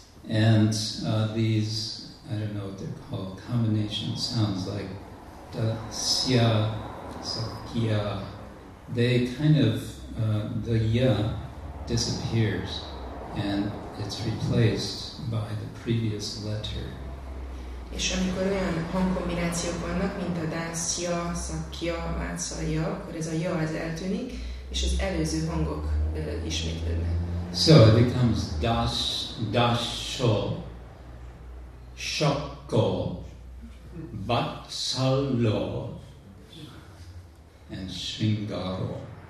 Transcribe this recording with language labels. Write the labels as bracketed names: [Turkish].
[English] And these, I don't know what they're called, combination sounds like dasya, sakya, they kind of, the ya disappears and it's replaced by the previous letter. [Hungarian] És amikor olyan hangkombinációk vannak, mint a dasya, sakya, vátszalya, akkor ez a ya az eltűnik, és az előző hangok ismétlődnek. [English] So it becomes dasho, shokko, vatsalo, and shringaro.